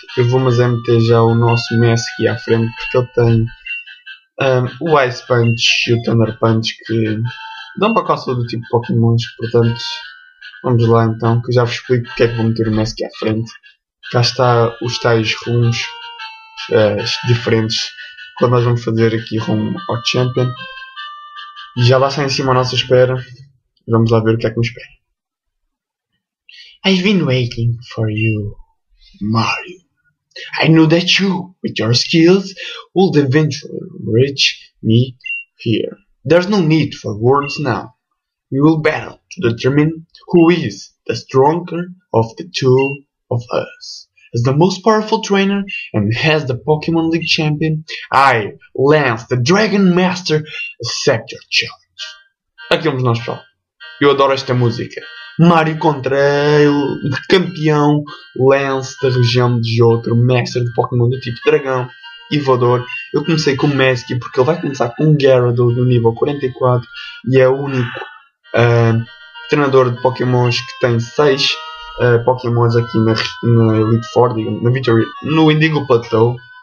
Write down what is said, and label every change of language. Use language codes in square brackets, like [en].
[pt] Eu vou mas é meter já o nosso mestre aqui à frente, porque ele tem o Ice Punch e o Thunder Punch que dão para quase todo o tipo de Pokémons, portanto vamos lá então, que eu já vos explico porque é que vou meter o Mask aqui à frente. Cá está os tais rumos diferentes quando nós vamos fazer aqui rumo ao Champion. E já lá está em cima à nossa espera. Vamos lá ver o que é que nos espera. [en] I've been waiting for you, Mario. I knew that you, with your skills, would eventually reach me here. There's no need for words now. We will battle to determine who is the stronger of the two of us. As the most powerful trainer and as the Pokémon League champion, I, Lance, the Dragon Master, accept your challenge. [pt] Aqui vamos nós, pessoal. Eu adoro esta música. Mario contra ele, campeão Lance da região de Johto, mestre de Pokémon do tipo dragão e voador. Eu comecei com o Mask porque ele vai começar com um Gyarados do nível 44 e é o único treinador de Pokémons que tem 6 Pokémons aqui na Elite Four, digamos, na Victory, no Indigo Plateau.